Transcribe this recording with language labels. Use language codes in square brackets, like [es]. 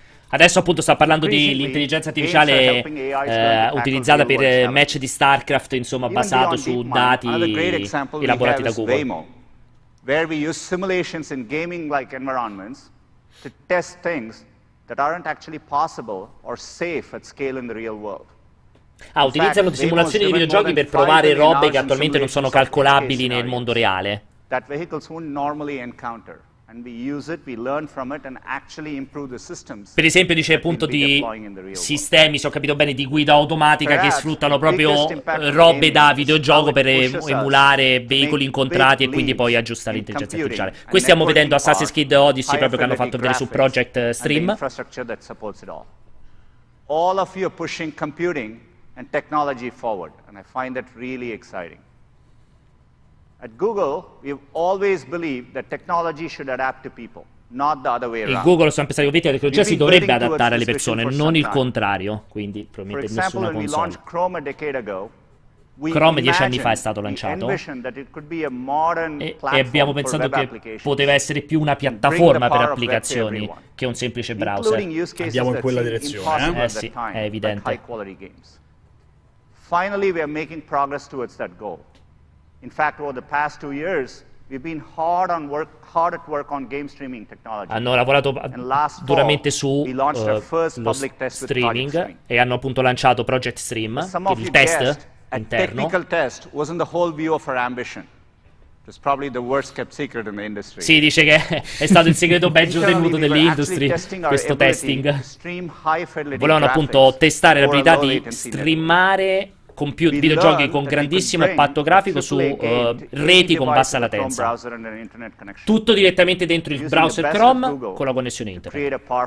[it] Adesso appunto sta parlando di l'intelligenza artificiale utilizzata per match di StarCraft, insomma, basato su dati elaborati da Google. [en] Where we use simulations in gaming like environments to test things that aren't actually possible or safe at scale in the real world. [it] Ah, utilizzano simulazioni di videogiochi per provare robe che attualmente non sono calcolabili nel mondo reale. [en] That vehicles won't normally encounter. And we use it, we learn from it, and actually improve the systems. [it] Per esempio, dice appunto di sistemi, se ho capito bene, di guida automatica che sfruttano proprio robe da videogioco per emulare veicoli incontrati e quindi poi aggiustare l'intelligenza artificiale. Qui stiamo vedendo Assassin's Creed Odyssey, proprio che hanno fatto vedere su Project Stream. [en] All of you are pushing computing and technology forward, and I find that really exciting. At Google, we've always believed that technology should adapt to people, not the other way around. [it] In Google sono pensato che la tecnologia si dovrebbe adattare alle persone, non il contrario. Quindi, probabilmente nessuna console. Chrome 10 anni fa è stato lanciato. E abbiamo pensato che poteva essere più una piattaforma per applicazioni che un semplice browser. Andiamo in quella direzione, eh? Sì, è evidente. [en] Finally, we are making progress towards that goal. In fact, over the past two years, we've been hard at work on game streaming technology. [it] Hanno lavorato duramente su lo streaming e hanno appunto lanciato Project Stream, il test interno. [en] A technical test wasn't the whole view of our ambition. It's probably the worst kept secret in the industry. [it] Sì, dice che è stato il segreto peggio tenuto dell'industry, questo testing. Volevano appunto testare l'abilità di streamare computer, videogiochi con grandissimo impatto grafico su reti con bassa latenza, tutto direttamente dentro il browser Chrome con la connessione internet.